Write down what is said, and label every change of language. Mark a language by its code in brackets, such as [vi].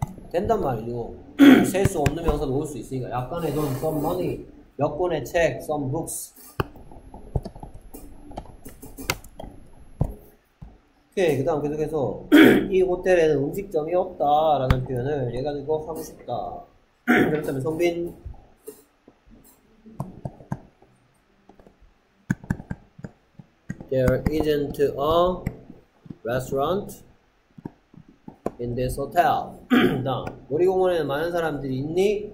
[ko] 된단 말이죠. 셀수 없는 명사도 올수 있으니까 약간의 돈 [en] some money [ko] 몇 권의 책 [en] some books. [ko] 오케이, 그 다음 계속해서 이 호텔에는 음식점이 없다라는 표현을 얘가 이거 하고 싶다. 그렇다면 [en] 성빈 There isn't a restaurant in this hotel. [ko] 그 다음 놀이공원에는 많은 사람들이 있니?